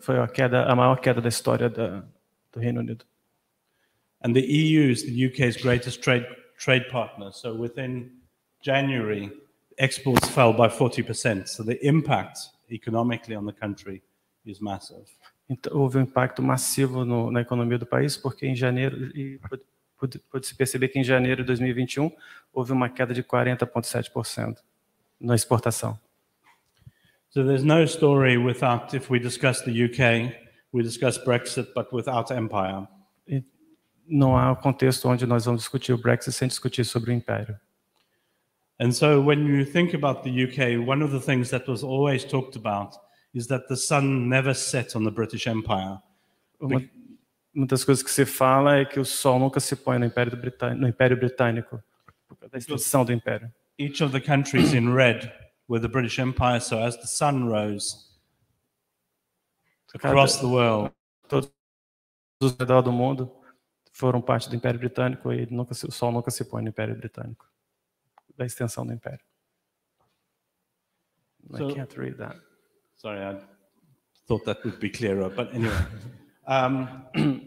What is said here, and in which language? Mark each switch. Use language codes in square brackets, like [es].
[pt] Foi a maior queda da história do Reino Unido. [en] And the EU is the UK's greatest trade partner. So within January, exports fell by 40%. So the impact economically on the country is massive. [pt] Então, houve um impacto massivo na economia do país, porque em janeiro, e pode-se perceber que em janeiro de 2021, houve uma queda de 40.7% na exportação. [en] So there's no story without, if we discuss the UK, we discuss Brexit, but without empire. [pt] Não há contexto onde nós vamos discutir o Brexit sem discutir sobre o império. [en] And so when you think about the UK, one of the things that was always talked about is that the sun never set on the British Empire. [pt] Uma das coisas que se fala é que o sol nunca se põe no Império Britânico, na extensão do império. [en] Each of the countries in red were the British Empire, so as the sun rose across the world, [pt] todos ao redor do mundo foram parte do Império Britânico e o sol nunca se põe no Império Britânico, da extensão do Império. [en] So, I can't read that. Sorry, I thought that would be clearer, but anyway.